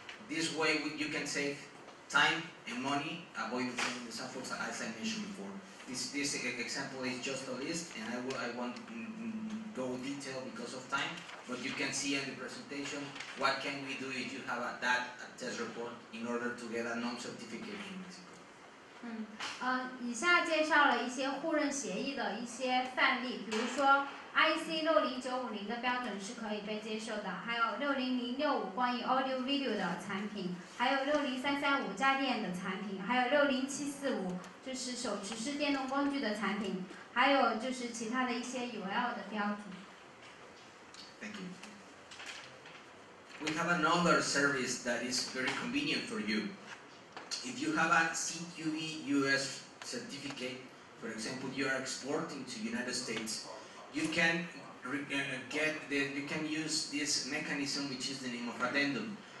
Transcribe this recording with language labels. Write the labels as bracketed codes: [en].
[en] This way, you can save time and money, avoid sending the samples as I mentioned before. This example is just a list, and I won't go detail because of time. But you can see in the presentation, what can we do if you have a test report in order to get a non-certificate in Mexico? [zh] 以下介绍了一些互认协议的一些范例，比如说 IC 60950的标准是可以被接受的，还有 60065关于 [en] audio video [zh] 的产品，还有 60335家电的产品，还有 60745就是手持式电动工具的产品，还有就是其他的一些 UL 的标准。 [en] Thank you. We have another service that is very convenient for you. If you have a CTUV US certificate, for example, you are exporting to United States, you can you can use this mechanism, which is the name of addendum.